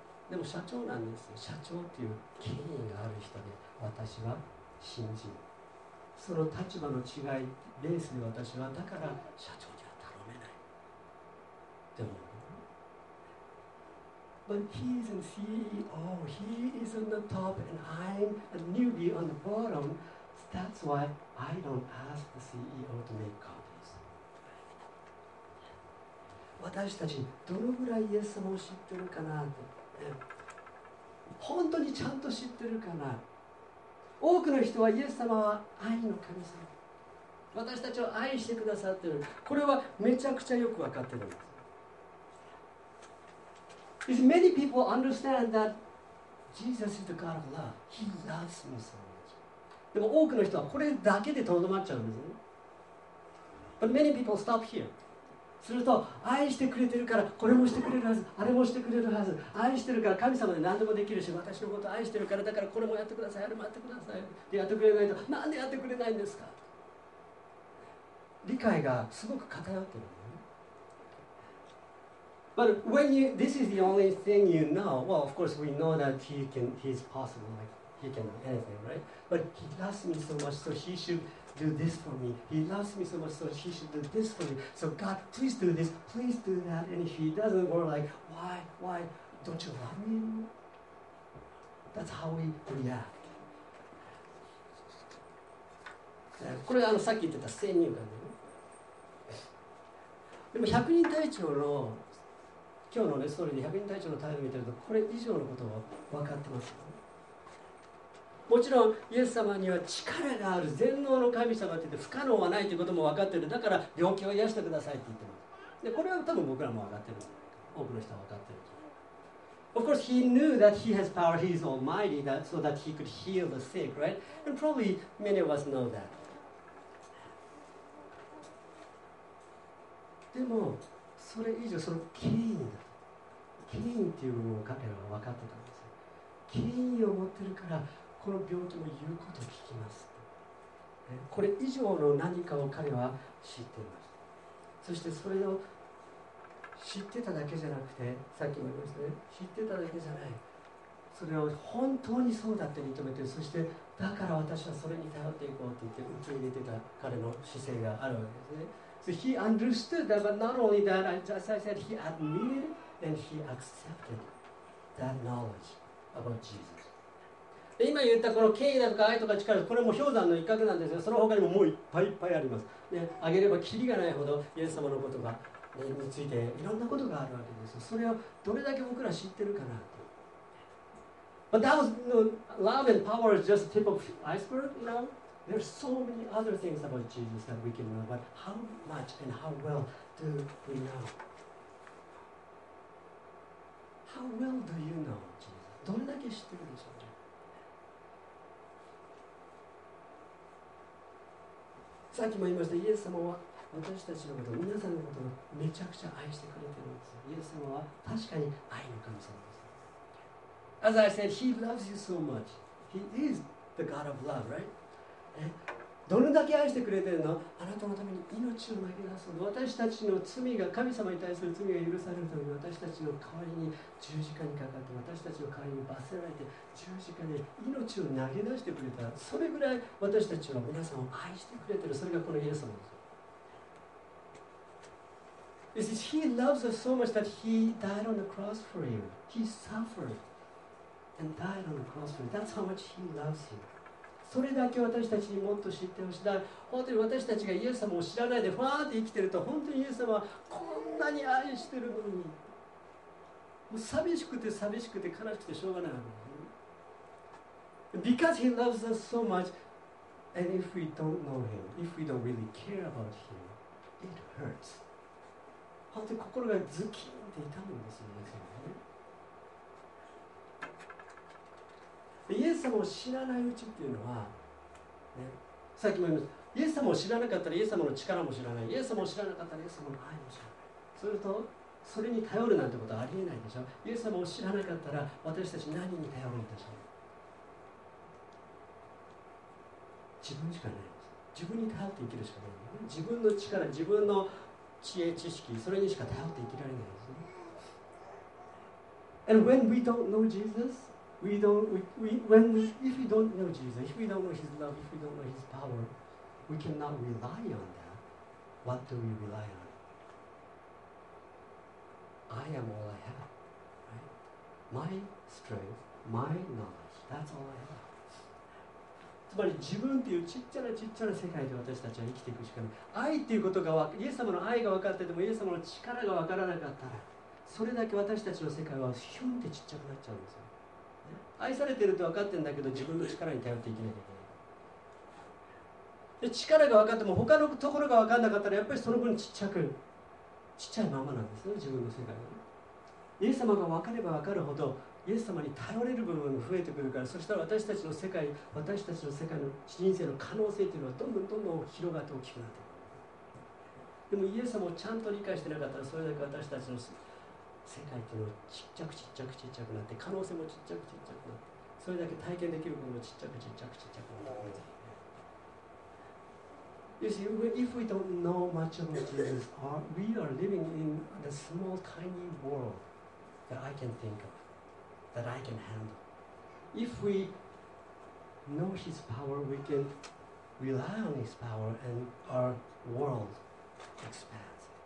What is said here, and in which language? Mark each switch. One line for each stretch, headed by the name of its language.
Japanese: でも社長なんですよ。社長っていう権威がある人で、私は新人。その立場の違いベースで私はだから社長には頼めない。でも、
English: But he is a CEO. He is on the top, and I'm a newbie on the bottom. That's why I don't ask the CEO to make copies.
Japanese: 私たちどのぐらいイエス様を知ってるかなって。本当にちゃんと知ってるかな。多くの人はイエス様は愛の神様、私たちを愛してくださってる、これはめちゃくちゃよく分かってるんです。
English: If many people understand that Jesus is the God of love, He loves me so much.
Japanese: でも多くの人はこれだけでとどまっちゃうんですね。
English: But many people stop here.
Japanese: すると愛してくれてるからこれもしてくれるはず、あれもしてくれるはず、愛してるから神様で何でもできるし、私のこと愛してるからだからこれもやってください、あれもやってくださいってやってくれないと、なんでやってくれないんですか。理解がすごく偏ってる、ね、
English: But when you, this is the only thing you know, well of course we know that he can, he's possible, like he can do anything, right? But he loves me so much, so he shouldDo this for me. He loves me so much, so he should do this for me. So God, please do this, please do that. And if he doesn't, we're like, why, don't you love me? That's how we react.
Japanese: これはあのさっき言ってた先入観だよね。でも百人隊長の今日のねストーリーで百人隊長の態度見てると、これ以上のことは分かってます。もちろんイエス様には力がある全能の神様って言って不可能はないということも分かってる、だから病気を癒してくださいって言ってます。でこれは多分僕らも分かってる、多くの人は分かってる。
English: Of course he knew that he has power, he is almighty, that, so that he could heal the sick, right? And probably many of us know that.
Japanese: でもそれ以上その権威だ、権威っていう部分を彼らは分かってたんですよ。権威を持ってるからこの病気も言うことを聞きます。これ以上の何かを彼は知っています。そしてそれを知ってただけじゃなくて、さっきも言いましたね、知ってただけじゃない。それを本当にそうだって認めて、そしてだから私はそれに頼っていこうって言って受け入れてた彼の姿勢があるわけですね。
English: So he understood that, but not only that, as I said, he admitted and he accepted that knowledge about Jesus.
Japanese: で今言ったこの権威だとか愛とか力、これも氷山の一角なんですよ。その他にももういっぱいいっぱいあります。で、挙げればキリがないほどイエス様のことが、ね、についていろんなことがあるわけですよ。それをどれだけ僕ら知ってるかなと。
English: But that was, you know, love and power is just the tip of iceberg, you know? There are so many other things about Jesus that we can know, but how much and how well do we know? How well do you know Jesus?
Japanese: どれだけ知ってるでしょう。さっきも言いました、イエス様は私たちのこと、皆さんのことをめちゃくちゃ愛してくれてるんですよ。イエス様は確かに愛の神様です。
English: As I said, He loves you so much. He is the God of love, right?
Japanese: どれだけ愛してくれてるの？あなたのために命を投げ出すの。私たちの罪が、神様に対する罪が許されるために、私たちの代わりに十字架にかかって、私たちの代わりに罰せられて、十字架で命を投げ出してくれた。それぐらい私たちは皆さんを愛してくれてる。それがこのイエス様です。
English: It says, He loves us so much that He died on the cross for you. He suffered and died on the cross for you. That's how much He loves you.
Japanese: それだけ私たちにもっと知ってほしい。だ本当に私たちがイエス様を知らないでファーって生きてると、本当にイエス様はこんなに愛してるのに、もう寂しくて寂しくて悲しくてしょうがないの。
English: Because he loves us so much, and if we don't know him, if we don't really care about him, it hurts.
Japanese: 本当に心がズキンって痛むんですよ、イエス様ね。イエス様を知らないうちっていうのは、ね、さっきも言いました、イエス様を知らなかったらイエス様の力も知らない、イエス様を知らなかったらイエス様の愛も知らない、それとそれに頼るなんてことはありえないでしょ。イエス様を知らなかったら私たち何に頼るんでしょう。自分しかない。自分に頼って生きるしかない。自分の力、自分の知恵、知識、それにしか頼って生きられないですね。
English: And when we don't know Jesus, if we don't know Jesus, if we don't know His love, if we don't know His power, we cannot rely on that. What do we rely on? I am all I have.、Right? My strength, my knowledge, that's all I have.
Japanese: つまり自分っていうちっちゃなちっちゃな世界で私たちは生きていくしかない。愛っていうことがイエス様の愛が分かってても、イエス様の力が分からなかったら、それだけ私たちの世界はヒュンってちっちゃくなっちゃうんですよ。愛されてるって分かってるんだけど、自分の力に頼って生きなきゃいけない。で、力が分かっても他のところが分かんなかったら、やっぱりその分ちっちゃく、ちっちゃいままなんですよ、自分の世界は。イエス様が分かれば分かるほど、イエス様に頼れる部分が増えてくるから、そしたら私たちの世界、私たちの世界の人生の可能性というのはどんどんどんどん広がって大きくなっていく。でもイエス様をちゃんと理解してなかったら、それだけ私たちの世界というのはちっちゃくちっちゃくちっちゃくなって、可能性もちっちゃくちっちゃくなって、それだけ体験できる部分もちっちゃくちっちゃくちっちゃくなって。
English: You see, if we don't know much of Jesus, we are living in the small tiny world that I can think of. That I can handle. If we know His power, we can rely on His power and our world expands.